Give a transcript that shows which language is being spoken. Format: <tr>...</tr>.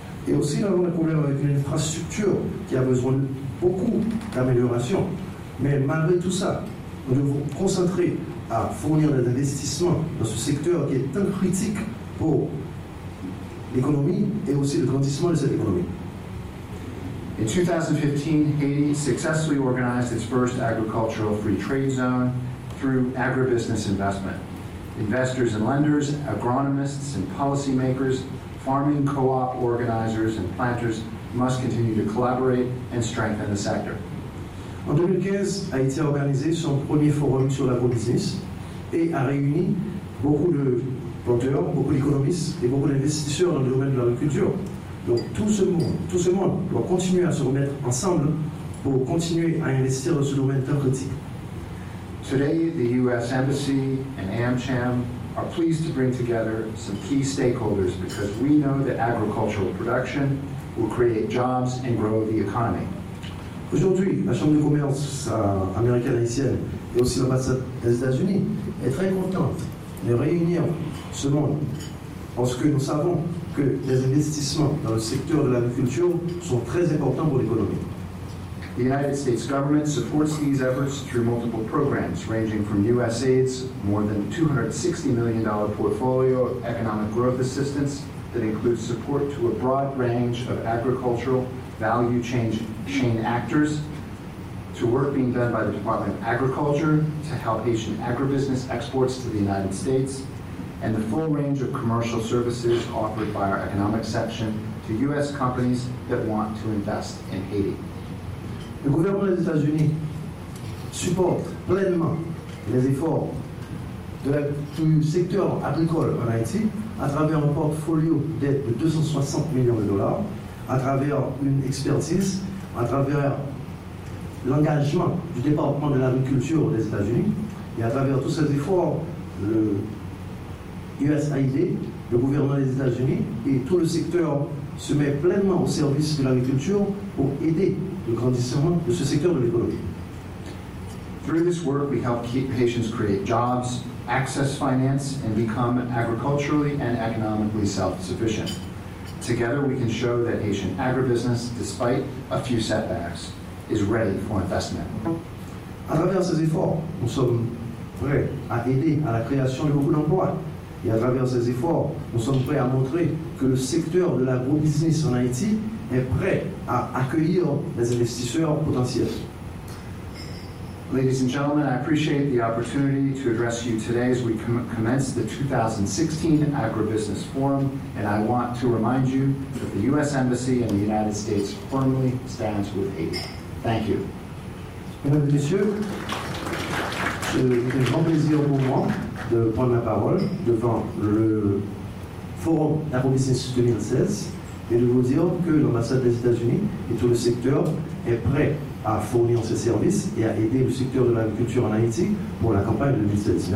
<fr>Et aussi, nous avons un problème avec une infrastructure qui a besoin beaucoup d'amélioration. Mais malgré tout ça, nous devons concentrer à fournir des investissements dans ce secteur qui est tant critique pour l'économie et aussi le grandissement de cette économie.</fr> <en>In 2015, Haiti successfully organized its first agricultural free trade zone through agribusiness investment. Investors and lenders, agronomists and policymakers, farming co-op organizers and planters must continue to collaborate and strengthen the sector.</en> <fr>En 2015, a été organisé son premier forum sur l'agro-business et a réuni beaucoup de planteurs, beaucoup d'économistes et beaucoup d'investisseurs dans le domaine de l'agriculture. Donc tout ce monde doit continuer à se remettre ensemble pour continuer à investir dans ce domaine tant critique.</fr> <en>Today, the U.S. Embassy and AmCham are pleased to bring together some key stakeholders because we know that agricultural production will create jobs and grow the economy.</en> <fr>Aujourd'hui, la Chambre de commerce américaine-haïtienne et aussi l'ambassade des États-Unis est très contente de réunir ce monde Lorsque nous savons que les investissements dans le secteur de l'agriculture sont très importants pour l'économie.</fr> <en>The United States government supports these efforts through multiple programs, ranging from USAID's more than $260 million portfolio of economic growth assistance that includes support to a broad range of agricultural value chain actors, to work being done by the Department of Agriculture to help Asian agribusiness exports to the United States, and the full range of commercial services offered by our economic section to U.S. companies that want to invest in Haiti.</en> <fr>Le gouvernement des États-Unis supporte pleinement les efforts du secteur agricole en Haïti à travers un portfolio d'aide de 260 millions de dollars, à travers une expertise, à travers l'engagement du département de l'agriculture des États-Unis, et à travers tous ces efforts, le USAID, le gouvernement des États-Unis et tout le secteur se met pleinement au service de l'agriculture pour aider le grandissement de ce secteur de l'économie.</fr> <en>Through this work, we help Haitians create jobs, access finance, and become agriculturally and economically self-sufficient. Together, we can show that Haitian agribusiness, despite a few setbacks, is ready for investment.</en> <fr>À travers ces efforts, nous sommes prêts à aider à la création de beaucoup d'emplois. Et à travers ces efforts, nous sommes prêts à montrer que le secteur de l'agro-business en Haïti est prêt à accueillir les investisseurs potentiels.</fr> <en>Ladies and gentlemen, I appreciate the opportunity to address you today as we commence the 2016 Agribusiness Forum, and I want to remind you that the U.S. Embassy in the United States firmly stands with Haiti. Thank you.</en> <fr>Mesdames et messieurs, c'est un grand plaisir pour moi de prendre la parole devant le Forum Agribusiness 2016 et de vous dire que l'ambassade des États-Unis et tout le secteur est prêt à fournir ses services et à aider le secteur de l'agriculture en Haïti pour la campagne de 2016.</fr>